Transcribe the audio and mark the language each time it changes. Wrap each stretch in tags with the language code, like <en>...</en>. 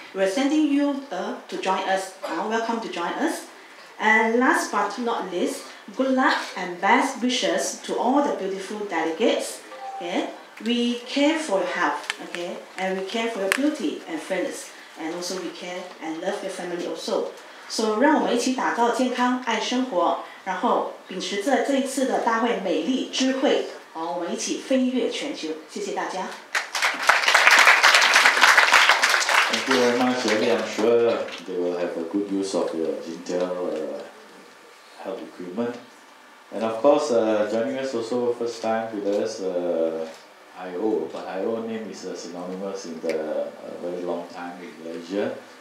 <en>We are sending you to join us. Welcome to join us. And last but not least, good luck and best wishes to all the beautiful delegates. Okay? We care for your health, okay? And we care for your beauty and fairness. And also we care and love your family also.</en> <zh>So, 让我们一起打造健康爱生活，然后秉持着这一次的大会美丽智慧，好，我们一起飞跃全球。谢谢大家。</zh> <en>Thank you very much, Jerry. I'm sure they will have a good use of your Intel health equipment. And of course, joining us also first time with us, IO. But IO name is synonymous in the very long time in Malaysia.</en>